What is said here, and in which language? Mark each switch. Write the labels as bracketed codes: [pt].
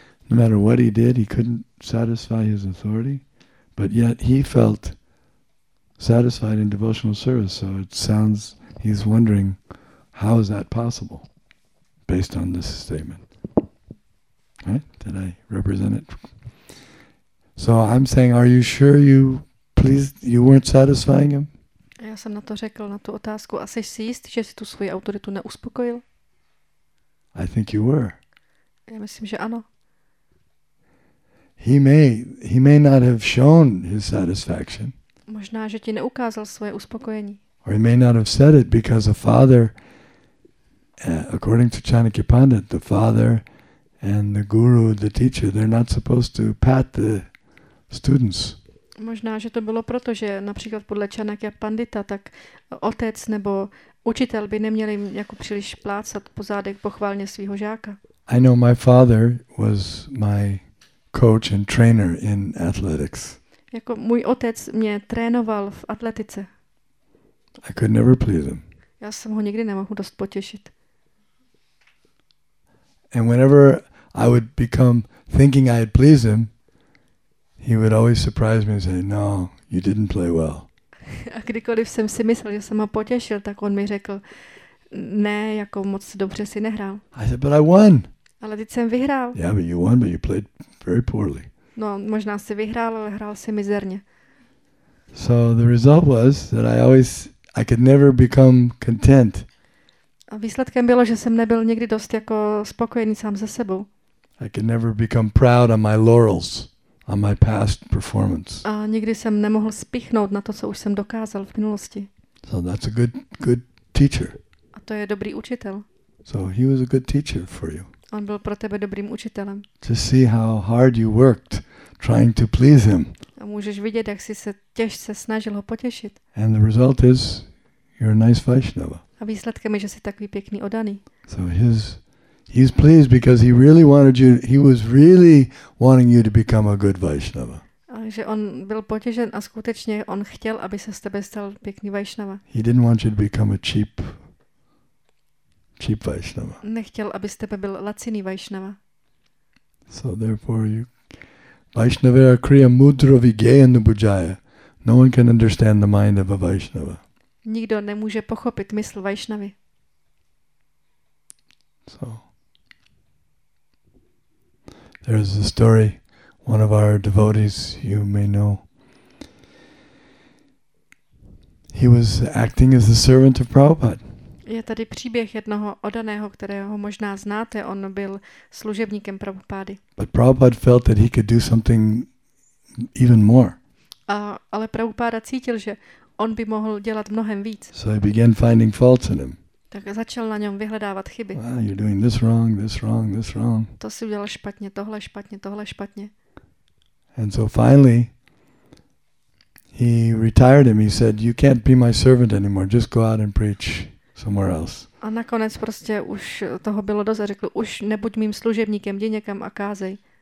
[en] No matter what he did, he couldn't satisfy his authority, but yet he felt satisfied in devotional service. So it sounds he's wondering, how is that possible, based on this statement? Right? Did I represent it? So I'm saying, are you sure you weren't satisfying him? [cs] Já jsem na to řekl, na tu otázku, a jsi si jistý, že jsi tu svoji autoritu neuspokojil? [en] I think you were. [cs] Já myslím, že ano. [en] He may not have shown his satisfaction. [cs] Možná, že ti neukázal svoje uspokojení. [en] Or he may not have said it because a father, according to Chanakya Pandit, the father and the guru, the teacher, they're not supposed to pat the students. [cs] Možná, že to bylo proto, že například podle Chanakya Pandita, tak otec nebo učitel by neměli jako příliš plácat po zádech pochválně svého žáka. [en] I know my father was my coach and trainer in athletics. [cs] Jako můj otec mě trénoval v atletice. [en] I could never please him. [cs] Já jsem ho nikdy nemohl dost potěšit. [en] And whenever I would become thinking I had pleased him, he would always surprise me and say, "No, you didn't play well." [cs] A kdykoliv jsem si myslel, že jsem ho potěšil, tak on mi řekl, ne, jako moc dobře si nehrál. [en] I said, but I won. [cs] Ale teď jsem vyhrál. [en] Yeah, but you won, but you played very poorly. [cs] No, možná si vyhrál, ale hrál si mizerně. [en] So the result was that I could never become content. [cs] A výsledkem bylo, že jsem nebyl nikdy dost jako spokojený sám se sebou. [en] I could never become proud on my laurels, on my past performance. [cs] A nikdy jsem nemohl spichnout na to, co už jsem dokázal v minulosti. [en] So that's a good teacher. [cs] A to je dobrý učitel. [en] So he was a good teacher for you. [cs] On byl pro tebe dobrým učitelem. [en] To see how hard you worked trying to please him. [cs] A můžeš vidět, jak jsi se těžce snažil ho potěšit. [en] And the result is you're a nice Vaishnava. [cs] A výsledkem je, že jsi takový pěkný odaný. [en] So he's pleased because he was really wanting you to become a good Vaishnava. [cs] A že on byl potěšen a skutečně on chtěl, aby se z tebe stal pěkný Vaishnava. [en] He didn't want you to become a cheap Vaishnava. [cs] Nechtěl, aby z tebe byl laciný Vaishnava. [en] So therefore you [bn] Vaishnavera kriya mudra vigeya nubujaya. [en] No one can understand the mind of a Vaishnava. [cs] Nikdo nemůže pochopit mysl Vaishnavy. [en] So there's a story, one of our devotees you may know. He was acting as the servant of Prabhupada. [cs] Je tady příběh jednoho odaného, kterého možná znáte. On byl služebníkem Prabhupády. [en] But Prabhupada felt that he could do something even more. [cs] Ale Prabhupáda cítil, že on by mohl dělat mnohem víc. [en] So he began finding faults in him. [cs] Tak začal na něm vyhledávat chyby. [en] Well, you're doing this wrong, this wrong, this wrong. [cs] To si udělal špatně, tohle špatně, tohle špatně. [en] And so finally he retired him. He said, "You can't be my servant anymore. Just go out and preach." Somewhere else. [cs] A nakonec prostě už toho bylo dost a řekl, už nebuď mým služebníkem, jdi někam a kázej.